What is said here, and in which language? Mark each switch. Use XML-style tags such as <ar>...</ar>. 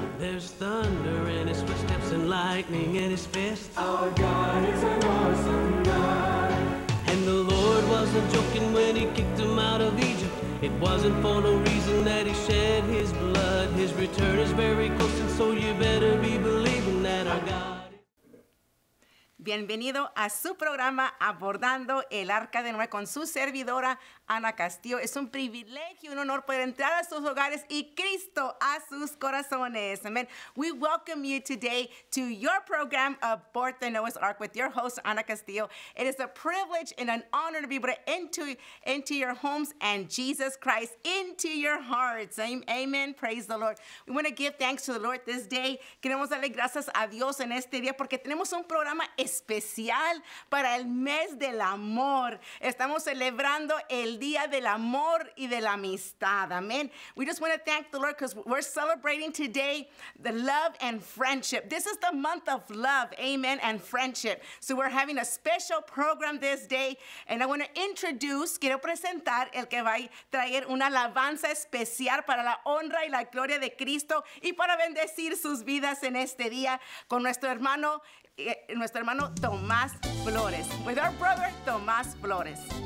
<en>There's thunder in his footsteps and lightning in his fists. Our God is an awesome God. And the Lord wasn't joking when he kicked him out of Egypt. It wasn't for no reason that he shed his blood. His return is very close, and so you better be believing that our God.</en> <es>Bienvenido a su programa Abordando el Arca de Noé con su servidora Ana Castillo. Es un privilegio y un honor poder entrar a sus hogares y Cristo a sus corazones. Amen.</es> <en>We welcome you today to your program Aboard the Noah's Ark with your host Ana Castillo. It is a privilege and an honor to be brought into your homes and Jesus Christ into your hearts. Amen. Praise the Lord. We want to give thanks to the Lord this day.</en> <es>Queremos darle gracias a Dios en este día porque tenemos un programa especial para el mes del amor. Estamos celebrando el día del amor y de la amistad. Amen.</es> <en>We just want to thank the Lord because we're celebrating today the love and friendship. This is the month of love, amen, and friendship. So we're having a special program this day. And I want to introduce,</en> <es>quiero presentar el que va a traer una alabanza especial para la honra y la gloria de Cristo y para bendecir sus vidas en este día con nuestro hermano Tomás Flores.</es> <en>With our brother Tomás Flores.</en>